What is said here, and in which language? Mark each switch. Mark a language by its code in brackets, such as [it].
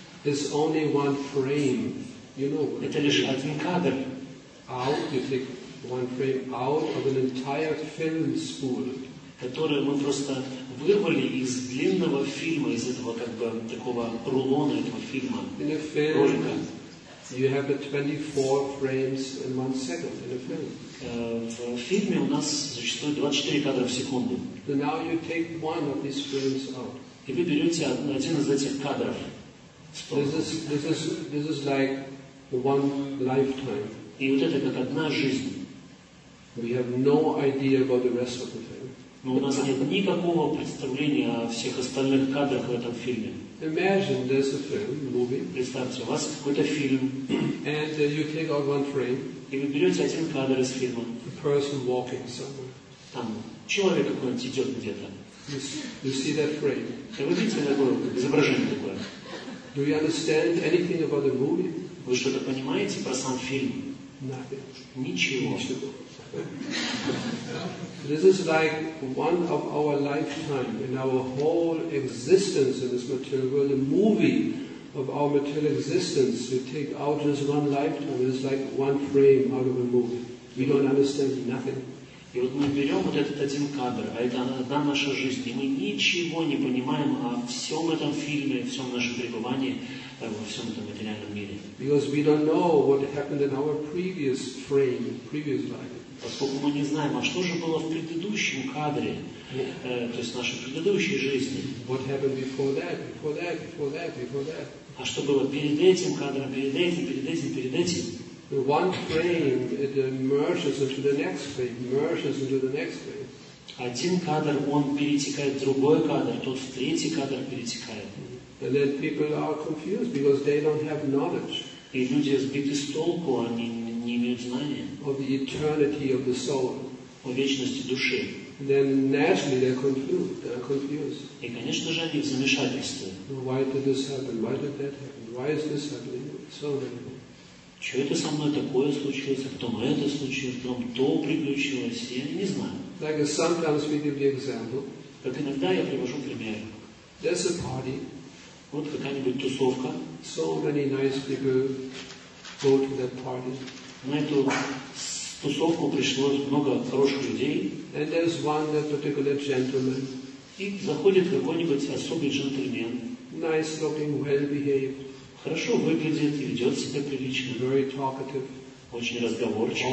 [en] is only one frame. You know. [ru] Это лишь один кадр. [en] Out, you take one frame out of an entire film spool. [ru] Которую мы просто вырвали из длинного фильма, из этого как бы такого рулона этого фильма. [en] In a film, [ru] ролика. [en] You have 24 frames in 1 second in a film. [ru] В фильме у нас существует 24 кадра в секунду. [en] So now you take one of these frames out. [ru] И вы берете один из этих кадров. [en] This is like one lifetime. [ru] И вот это как одна жизнь. [en] We have no idea about the rest of the film. [ru] Но у нас нет никакого представления о всех остальных кадрах в этом фильме. [en] Imagine there's a film, movie. [ru] Представьте, у вас какой-то фильм. [en] And you take out one frame. [ru] И вы берете один кадр из фильма. [en] A person walking somewhere. [ru] Там человек какой-нибудь идет где-то. [en] You see that frame. [ru] И вы видите такое изображение такое. [en] Do you understand anything about the movie? [ru] Вы что-то понимаете про сам фильм? [en] Nothing. [ru] Ничего. [en] This is like one of our lifetime in our whole existence in this material world. The movie of our material existence, you take out just one lifetime, it's like one frame out of a movie. You don't understand nothing. [ru] И вот мы берем вот этот один кадр, а это одна наша жизнь, и мы ничего не понимаем о всем этом фильме, о всем нашем пребывании во всем этом материальном мире. [en] Because we don't know what happened in our previous frame, previous life. [ru] Поскольку мы не знаем, а что же было в предыдущем кадре, то есть в нашей предыдущей жизни. [en] What happened before that, before that, before that, before that. [ru] А что было перед этим кадром, перед этим, перед этим, перед этим. [en] The one frame, it merges into the next frame, merges into the next frame. [ru] Один кадр, он перетекает в другой кадр, тот в третий кадр перетекает. [en] And then people are confused because they don't have knowledge. [ru] И люди сбиты с толку, они не имеют знания. [en] Of the eternity of the soul. [ru] О вечности души. [en] Then naturally they're confused. They're confused. [ru] И, конечно же, они в замешательстве. [en] Why did this happen? Why did that happen? Why is this happening? So many. [ru] Что это со мной такое случилось, а потом это случилось, потом то приключилось, я не знаю. [en] Like sometimes we give the example. [ru] Как иногда я привожу пример. [en] There's a party. [ru] Вот какая-нибудь тусовка. [en] So many nice people go to that party. [ru] На эту тусовку пришло много хороших людей. [en] And there's one that particular gentleman. [ru] И заходит какой-нибудь особый джентльмен. [en] Nice looking, well behaved. [ru] Хорошо выглядит и ведет себя прилично. [en] Very talkative. [ru] Очень разговорчивый.